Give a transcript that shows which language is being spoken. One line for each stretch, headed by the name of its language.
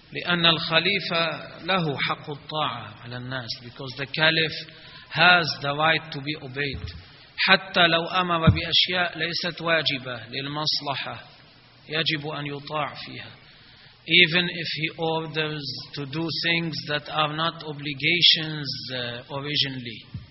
Arabic: لأن الخليفة له حق الطاعة على الناس.
English: Because the caliph has the right to be obeyed.
Arabic: حتى لو أمر بأشياء ليست واجبة للمصلحة يجب أن يطاع فيها.
English: even if he orders to do things that are not obligations originally.